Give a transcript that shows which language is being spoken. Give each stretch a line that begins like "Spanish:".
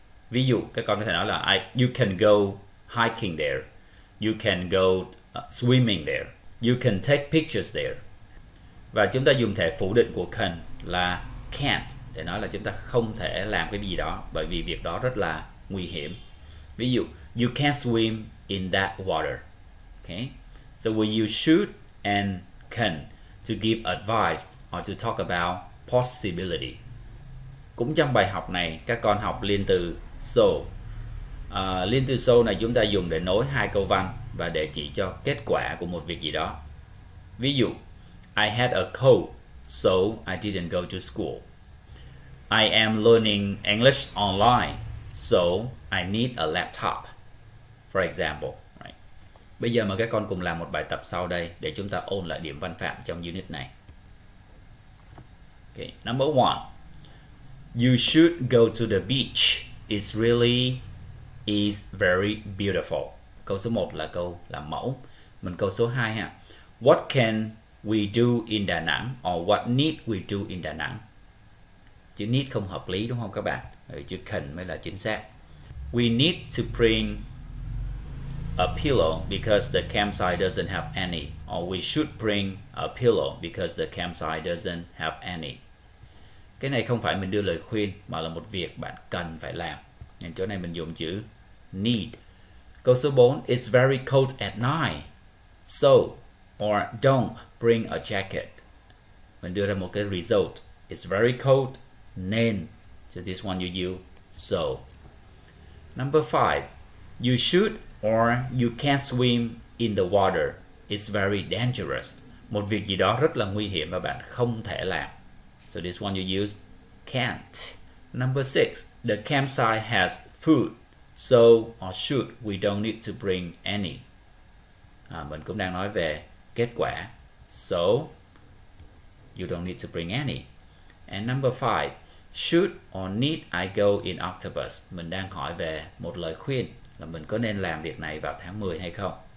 Vietnamese: Ví dụ các con có thể nói là
English: you can go hiking there, you can go swimming there, you can take pictures there.
Vietnamese: Và chúng ta dùng thể phủ định của can là can't để nói là chúng ta không thể làm cái gì đó bởi vì việc đó rất là nguy hiểm. Ví dụ
English: you can't swim in that water. Okay? So we use should and can to give advice or to talk about possibility.
Vietnamese: Cũng trong bài học này các con học liên từ so. Liên từ so này chúng ta dùng để nối hai câu văn và để chỉ cho kết quả của một việc gì đó. Ví dụ
English: I had a cold so I didn't go to school. I am learning English online so I need a laptop. For example, right?
Vietnamese: Bây giờ mời các con cùng làm một bài tập sau đây để chúng ta ôn lại điểm văn phạm trong unit này.
English: Okay, number one. You should go to the beach. It's really is very beautiful.
Vietnamese: Câu số 1 là câu làm mẫu. Mình câu số 2 ha.
English: What can we do in Đà Nẵng or what need we do in Đà Nẵng?
Vietnamese: Chữ need không hợp lý đúng không các bạn? Chữ cần mới là chính xác.
English: We need to bring a pillow because the campsite doesn't have any. Or we should bring a pillow because the campsite doesn't have any.
Vietnamese: Cái này không phải mình đưa lời khuyên mà là một việc bạn cần phải làm. Nên chỗ này mình dùng chữ need. Câu số 4.
English: It's very cold at night. So or don't bring a jacket.
Vietnamese: Mình đưa ra một cái result.
English: It's very cold.
Vietnamese: Nên.
English: So this one you use. So. Number 5. You should or you can't swim in the water. It's very dangerous.
Vietnamese: Một việc gì đó rất là nguy hiểm và bạn không thể làm.
English: So this one you use can't. Number 6. The campsite has food. So or should we don't need to bring any.
Vietnamese: Mình cũng đang nói về kết quả.
English: So you don't need to bring any. And number 5. Should or need I go in October?
Vietnamese: Mình đang hỏi về một lời khuyên là mình có nên làm việc này vào tháng 10 hay không?